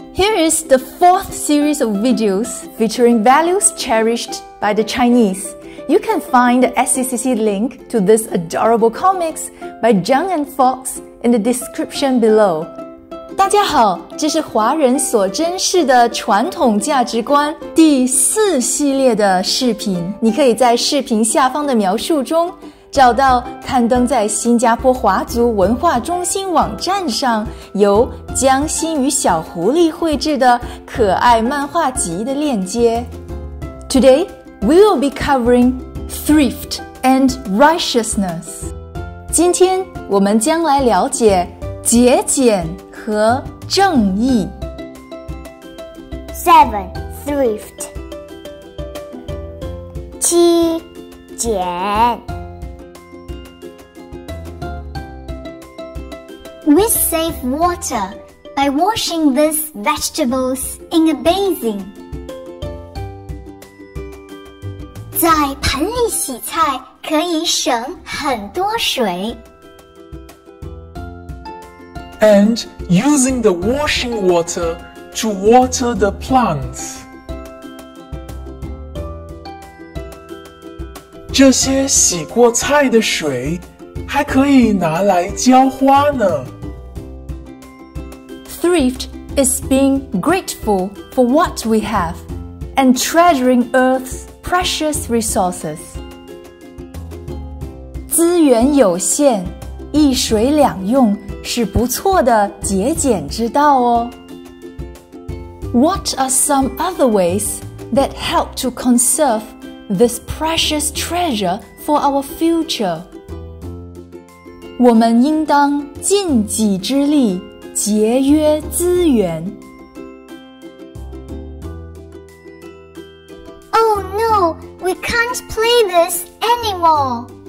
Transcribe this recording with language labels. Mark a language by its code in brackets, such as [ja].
[en] Here is the fourth series of videos featuring values cherished by the Chinese. You can find the SCCC link to this adorable comics by Zhang and Fox in the description below. [zh] 大家好，这是华人所珍视的传统价值观第四系列的视频。你可以在视频下方的描述中找到刊登在新加坡华族文化中心网站上由江心与小狐狸绘制的可爱漫画集的链接。 [en] Today, we will be covering thrift and righteousness. [zh] 今天我们将来了解节俭和正义。 [en] 7. Thrift 七俭。 We save water by washing these vegetables in a basin. [zh] 在盆里洗菜可以省很多水。 [en] And using the washing water to water the plants. [zh] 这些洗过菜的水还可以拿来浇花呢。 [en] Thrift is being grateful for what we have and treasuring Earth's precious resources. [zh] 资源有限，一水两用是不错的节俭之道哦。 [en] What are some other ways that help to conserve this precious treasure for our future? [zh] 我们应当尽己之力节约资源。 [en] Oh no, we can't play this anymore.